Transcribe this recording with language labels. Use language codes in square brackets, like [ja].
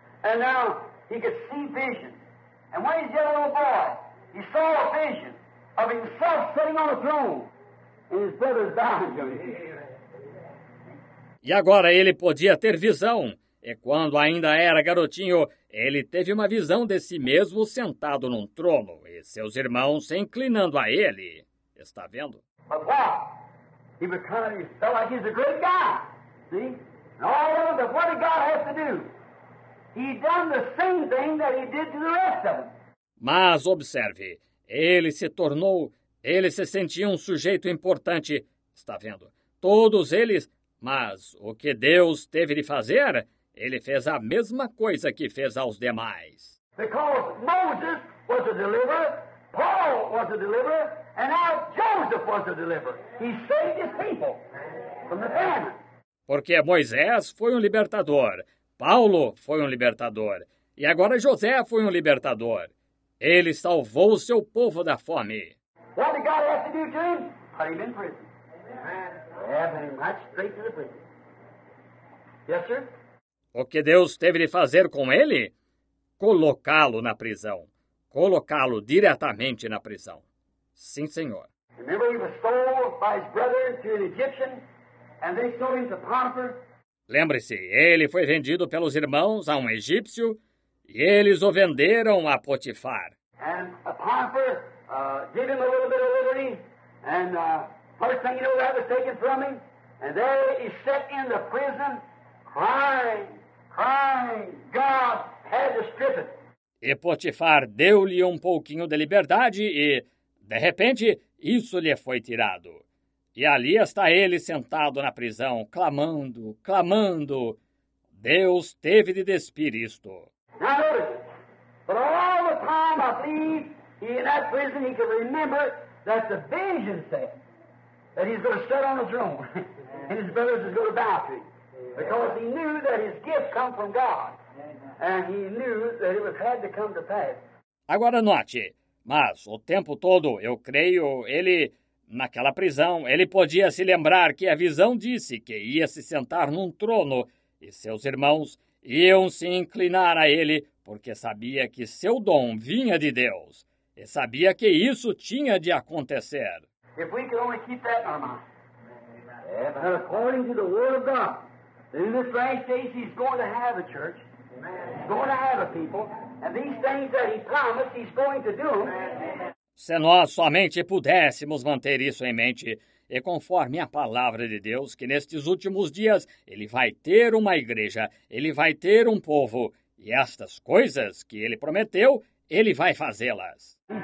[en] And now he could see visions. And when he's a little boy, he saw a vision of himself sitting on a throne and his brothers bowing to him. [pt] E agora ele podia ter visão. E quando ainda era garotinho, ele teve uma visão de si mesmo sentado num trono e seus irmãos se inclinando a ele. Está vendo? [en] But what? He became, he felt like he's a great guy. See? And all of them, what did God have to do? He done the same thing that he did to the rest of them. [pt] Mas observe, ele se tornou, ele se sentia sujeito importante, está vendo? Todos eles, mas o que Deus teve de fazer, ele fez a mesma coisa que fez aos demais. [en] Because Moses was a deliverer, Paul was a deliverer, and now Joseph was a deliverer. He saved his people from the famine. [pt] Porque Moisés foi libertador, Paulo foi libertador, e agora José foi libertador. Ele salvou o seu povo da fome. [en] What did God have to do to him? Put him in prison. Amen. Have him right straight to the prison. Yes, sir? [pt] O que Deus teve de fazer com ele? Colocá-lo na prisão. Colocá-lo diretamente na prisão. Sim, senhor. [en] Remember, he was sold by his brother to an Egyptian, and they sold him to Potiphar. [pt] Lembre-se, ele foi vendido pelos irmãos a egípcio. E eles o venderam a Potifar. [en] And a Potiphar gave him a little bit of liberty. And first thing you know, that was taken from him. And there he sat in the prison, crying, crying, God had to strip it. [pt] E Potifar deu-lhe pouquinho de liberdade e, de repente, isso lhe foi tirado. E ali está ele sentado na prisão, clamando, clamando. Deus teve de despir isto. [en] Now notice, but all the time believe he, in that prison, he could remember that the vision said that he's going to sit on the throne and his brothers is going to bow to him. Because he knew that his gift come from God. And he knew that it had to come to pass. [pt] Agora note, mas o tempo todo, eu creio, ele... Naquela prisão, ele podia se lembrar que a visão disse que ia se sentar num trono e seus irmãos iam se inclinar a ele porque sabia que seu dom vinha de Deus e sabia que isso tinha de acontecer. Se nós pudéssemos manter isso em nossa mente, mas, [en] according to the word of God, in this last days he's going to have a church, he's going to have a people, and these things that he promised he's going to do. [pt] Se nós somente pudéssemos manter isso em mente, e conforme a palavra de Deus, que nestes últimos dias ele vai ter uma igreja, ele vai ter um povo, e estas coisas que ele prometeu, ele vai fazê-las.